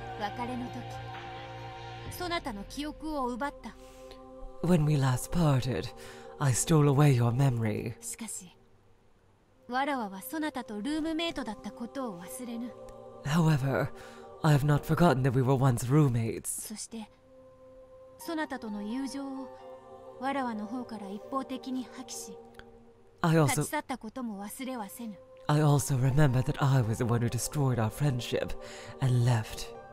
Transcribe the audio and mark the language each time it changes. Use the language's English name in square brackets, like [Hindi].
[Japanese] 別れの時, そなたの記憶を奪った。 [English] When we last parted, I stole away your memory. [Japanese] しかし, わらわはそなたとルームメイトだったことを忘れぬ。 [English] However, I have not forgotten that we were once roommates. [Japanese] そして, そなたとの友情をわらわの方から一方的に破棄し。 [English] I also remember that I was the one who destroyed our friendship and left.